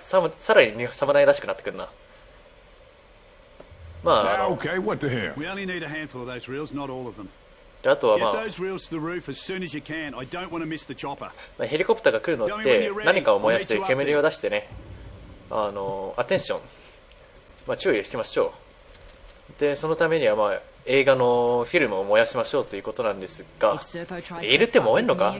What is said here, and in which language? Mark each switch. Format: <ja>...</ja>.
<ja>さらに侍らしくなってくるな。まあ、</ja> <en>okay, what the hell? We only need a handful of those reels, not all of them.</en> <ja>で、あとはまあ、ヘリコプターが来るのって何かを燃やして煙を出してね、アテンション、まあ、注意してましょう。で、そのためにはまあ映画のフィルムを燃やしましょうということなんですが、入れて燃えんのか？</ja>